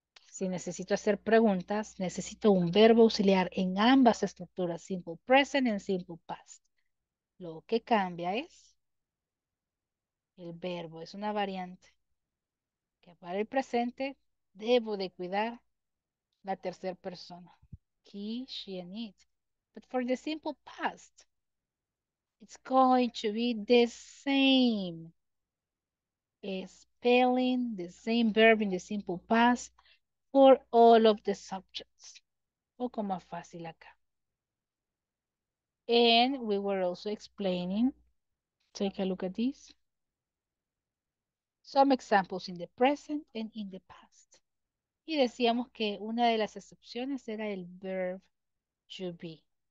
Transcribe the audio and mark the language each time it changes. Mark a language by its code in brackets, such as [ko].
[es] Si necesito hacer preguntas, necesito un verbo auxiliar en ambas estructuras, simple present y simple past. Lo que cambia es el verbo, es una variante. Que para el presente debo de cuidar la tercera persona. [en] He, she, and it. But for the simple past, it's going to be the same spelling, the same verb in the simple past. For all of the subjects. [es] Un poco más fácil acá. [en] And we were also explaining. Take a look at this. Some examples in the present and in the past. [es] Y decíamos que una de las excepciones era el verb to be.